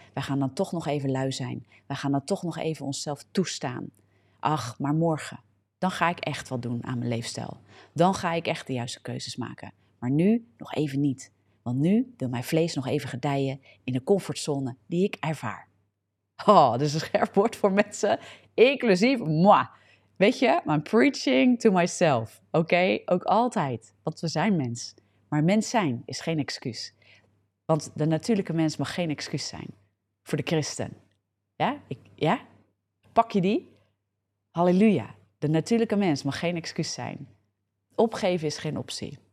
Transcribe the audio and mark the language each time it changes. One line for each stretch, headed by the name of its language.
Dutch: Wij gaan dan toch nog even lui zijn. Wij gaan dan toch nog even onszelf toestaan. Ach, maar morgen. Dan ga ik echt wat doen aan mijn leefstijl. Dan ga ik echt de juiste keuzes maken. Maar nu nog even niet. Want nu wil mijn vlees nog even gedijen in de comfortzone die ik ervaar. Oh, dat is een scherp woord voor mensen. Inclusief moi.
English: Weet je, I'm preaching to myself, oké? Okay?
Dutch: Ook altijd, want we zijn mens. Maar mens zijn is geen excuus. Want de natuurlijke mens mag geen excuus zijn voor de christen. Ja? Ja? Pak je die? Halleluja. De natuurlijke mens mag geen excuus zijn. Opgeven is geen optie.